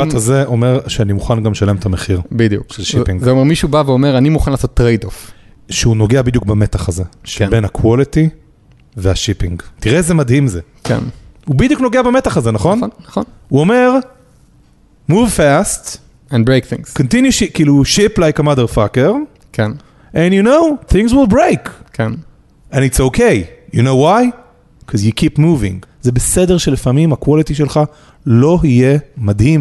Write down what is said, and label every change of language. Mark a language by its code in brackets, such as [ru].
[he] המשפט הזה אומר שאני מוכן גם לשלם את המחיר. בדיוק. של שיפינג. זה אומר, מישהו בא ואומר, אני מוכן לעשות טרייד-אוף. שהוא נוגע בדיוק במתח הזה. כן. שבין הקוולטי והשיפינג. תראה איזה מדהים זה. כן. הוא בדיוק נוגע במתח הזה, נכון? נכון, נכון. הוא אומר, [en] move fast. And break things. Continue, [he] כאילו, [en] ship like a motherfucker. [he] כן. [en] And you know, things will break. [he] כן. [en] And it's okay. You know why? Because you keep moving. [he] זה בסדר שלפעמים הקוולטי שלך לא יהיה מדהים.